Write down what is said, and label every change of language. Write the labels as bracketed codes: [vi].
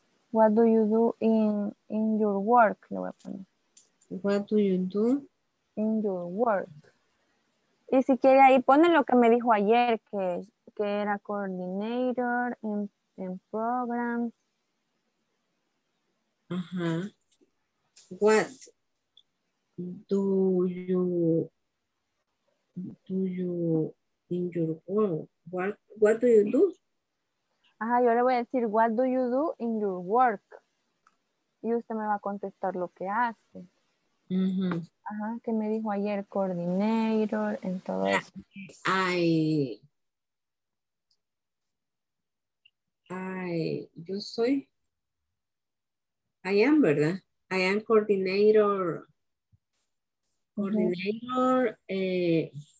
[en] What do you do in your work? [es] Le voy a poner. [en] What do you do in your work? [es] Y si quiere ahí pone lo que me dijo ayer que era coordinator en program. Uh-huh. [en] What do you in your work, what do you do? [es] Ajá, yo le voy a decir, [en] what do you do in your work? [es] Y usted me va a contestar lo que hace. Mm-hmm. Ajá, que me dijo ayer, coordinator, en todo eso. [en] I am, [es] ¿verdad? [en] I am coordinator, mm-hmm.